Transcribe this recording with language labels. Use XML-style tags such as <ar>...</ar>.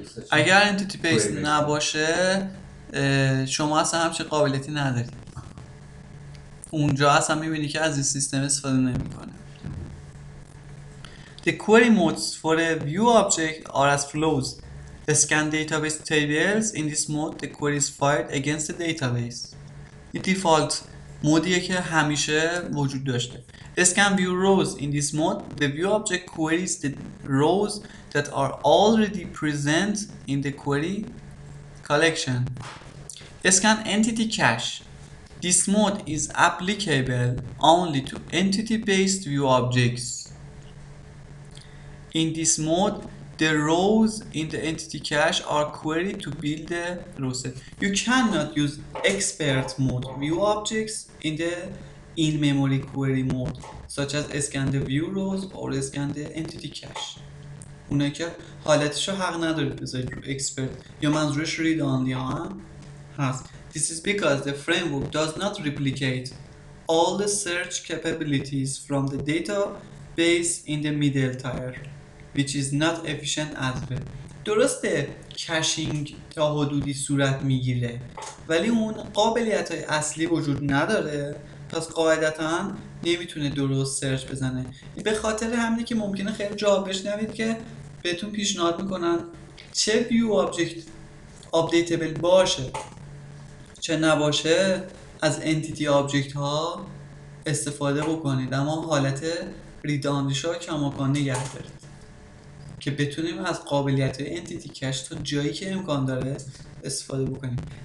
<fa>اگر entity based نباشه شما اصلا همچه قابلیتی ندارید. اونجا اصلا میبینی که از این سیستم استفاده نمیکنه.</fa> <en>The query modes for a view object are as follows. The scan database tables. In this mode the query is fired against the database. The default mode</en> <fa>یه که همیشه وجود داشته.</fa> <en>The scan view rows. In this mode the view object queries the rows that are already present in the query collection. The scan entity cache. This mode is applicable only to entity-based view objects. In this mode, the rows in the entity cache are queried to build the row set. You cannot use expert mode view objects in the in-memory query mode, such as scan the view rows or scan the entity cache.</en> <fa>اونه که حالتش رو حق ندارید بذارید رو expert یا منظورش read only هست.</fa> <en>This is because the framework does not replicate all the search capabilities from the database in the middle tier, which is not efficient as well.</en> <fa>درسته کشینگ تا حدودی صورت میگیره، ولی اون قابلیت های اصلی وجود نداره، پس قاعدتا نمیتونه درست سرچ بزنه. به خاطر همینه که ممکنه خیلی جواب بشنوید که بهتون پیشنهاد میکنن چه view object updatable باشه چه نباشه، از entity object ها استفاده بکنید، اما حالت ریداندش ها کماکان نگه دارید که بتونیم از قابلیت entity cache تا جایی که امکان داره استفاده بکنیم.</fa>